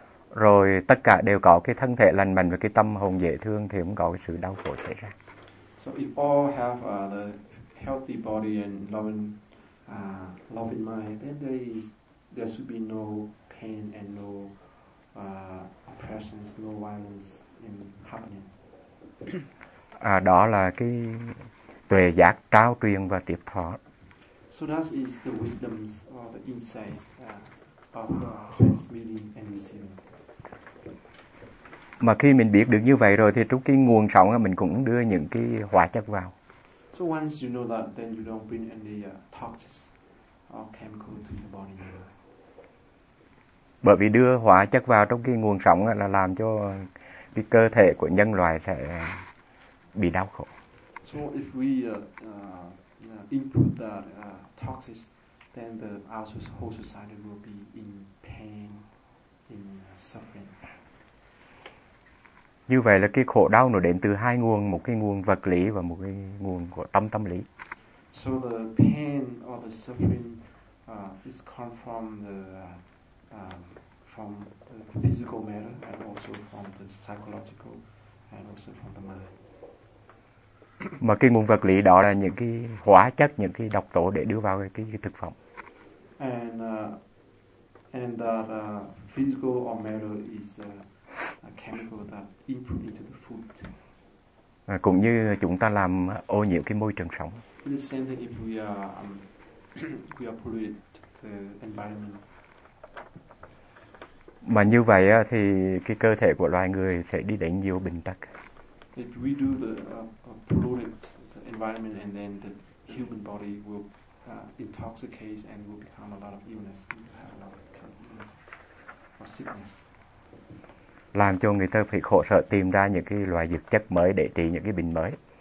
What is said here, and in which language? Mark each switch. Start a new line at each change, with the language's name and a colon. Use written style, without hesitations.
Vietnamese: Rồi tất cả đều có cái thân thể lành mạnh và cái tâm hồn dễ thương thì cũng có cái sự đau khổ xảy ra.
English: So if all have the healthy body and loving love in mind, then there should be no pain and no oppressions, no violence in happening.
Vietnamese: Đó là cái tuệ giác trao truyền và tiếp thọ.
English: So that is the wisdoms or the insights of transmitting and receiving.
Vietnamese: Mà khi mình biết được như vậy rồi thì trong cái nguồn sống mình cũng đưa những cái hóa chất vào.
English: So once you know that, then you don't bring any toxins or chemical to your body.
Vietnamese: Bởi vì đưa hóa chất vào trong cái nguồn sống là làm cho cái cơ thể của nhân loại sẽ bị đau khổ.
English: So if we input that toxins, then the whole society will be in pain, in suffering.
Vietnamese: Như vậy là cái khổ đau nó đến từ hai nguồn, một cái nguồn vật lý và một cái nguồn của tâm tâm lý.
English: So the pain or the suffering is come from the physical matter and also from the psychological and also from the mind.
Vietnamese: Mà cái nguồn vật lý đó là những cái hóa chất, những cái độc tố để đưa vào cái thực phẩm.
English: And that physical or matter is a chemical that input into the food.
Vietnamese: Cũng như chúng ta làm ô nhiễm cái môi trường sống.
English: The same thing if we are polluted the environment.
Vietnamese: Mà như vậy thì cái cơ thể của loài người sẽ đi đến nhiều bệnh tật.
English: If we do the polluted the environment and then the human body will intoxicate and will become a lot of illness, we will have a lot of illness or sickness.
Vietnamese: Làm cho người ta phải khổ sở tìm ra những cái loại dược chất mới để trị những cái bệnh mới.